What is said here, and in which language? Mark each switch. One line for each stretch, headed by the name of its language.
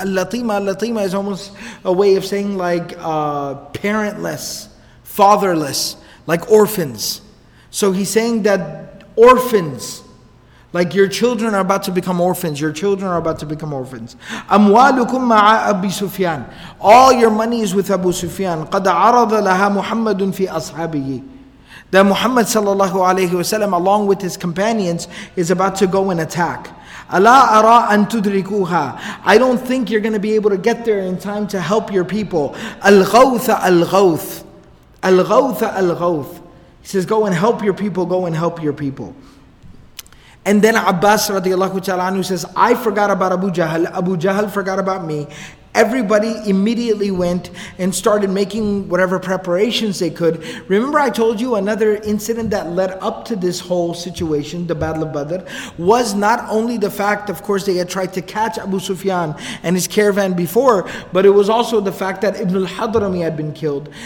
English: Al-latima, al-latima is almost a way of saying like parentless, fatherless, like orphans. So he's saying that orphans, like your children are about to become orphans. Your children are about to become orphans.
Arabic: أموالكم مع أبي سفيان.
English: All your money is with Abu Sufyan.
Arabic: قد عرض لها محمد في أصحابه.
English: That Muhammad sallallahu alayhi wa sallam, along with his companions, is about to go and attack.
Arabic: ألا أرى أن تدركوها.
English: I don't think you're going to be able to get there in time to help your people.
Arabic: الغوث الغوث الغوث الغوث.
English: He says, go and help your people, go and help your people. And then Abbas radiallahu ta'ala anhu says, I forgot about Abu Jahl. Abu Jahl forgot about me. Everybody immediately went and started making whatever preparations they could. Remember I told you another incident that led up to this whole situation, the Battle of Badr, was not only the fact, of course, they had tried to catch Abu Sufyan and his caravan before, but it was also the fact that Ibn al-Hadrami had been killed.